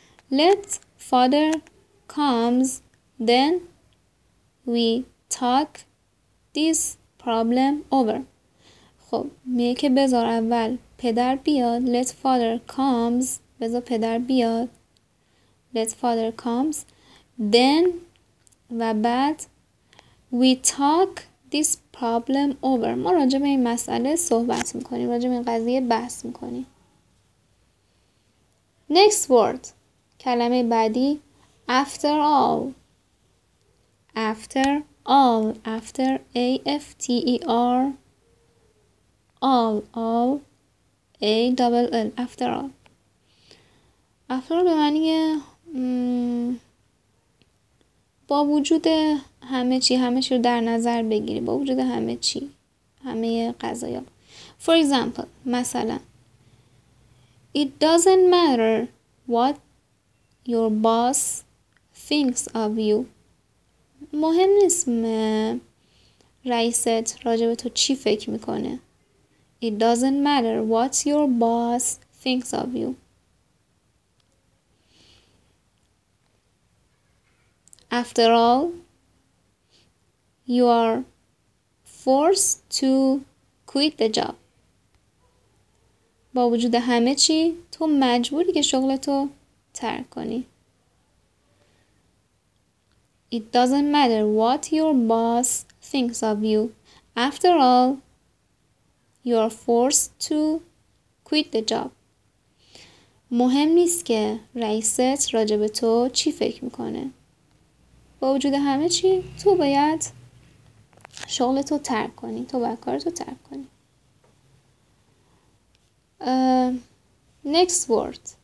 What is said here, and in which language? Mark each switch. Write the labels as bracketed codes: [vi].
[en] Let father comes, then we talk this problem over. [fa] خب میگه که بذار اول پدر بیاد. [en] Let father comes. [fa] بذار پدر بیاد. [en] Let father comes. Then [fa] و بعد [en] we talk this problem over. [fa] ما راجع به این مسئله صحبت میکنیم. راجع به این قضیه بحث میکنیم. [en] Next word. [fa] کلمه بعدی [en] after all. After all. After A-F-T-E-R. All. All. A-double-L. After all. After all [fa] به معنی با وجود همه چی، همه چی رو در نظر بگیری. با وجود همه چی، همه قضایا. [en] For example، [fa] مثلا [en] It doesn't matter what your boss thinks of you. [fa] مهم نیست رئیست راجع به تو چی فکر میکنه. [en] It doesn't matter what your boss thinks of you. After all, you are forced to quit the job. [fa] با وجود همه چی تو مجبوری که شغلتو ترک کنی. [en] It doesn't matter what your boss thinks of you. After all, you are forced to quit the job. [fa] مهم نیست که رئیست راجع به تو چی فکر میکنه. با وجود همه چی تو باید شغلتو ترک کنی. تو باید کارتو ترک کنی. [en] Next word.